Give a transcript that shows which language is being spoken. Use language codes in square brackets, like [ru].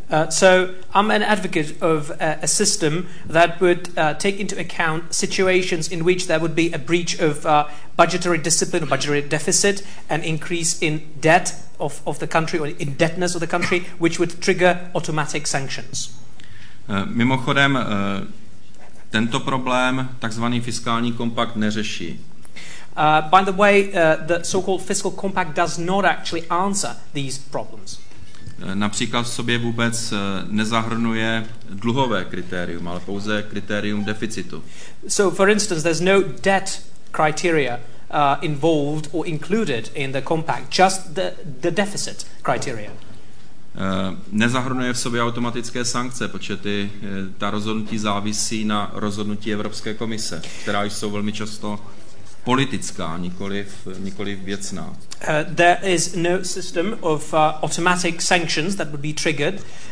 [en] So I'm an advocate of a system that would take into account situations in which there would be a breach of budgetary discipline, budgetary deficit, an increase in debt of the country or indebtedness of the country, which would trigger automatic sanctions. [cs] Mimochodem, tento problém, takzvaný fiskální kompakt, neřeší. [en] By the way, the so-called fiscal compact does not actually answer these problems. [cs] Například v sobě vůbec nezahrnuje dluhové kritérium, ale pouze kritérium deficitu. [en] So for instance, there's no debt criteria involved or included in the compact, just the deficit criteria. [cs] Nezahrnuje v sobě automatické sankce, protože ta rozhodnutí závisí na rozhodnutí Evropské komise, která jsou velmi často politická, nikoliv věcná. [en] There is no system of automatic sanctions that would be triggered.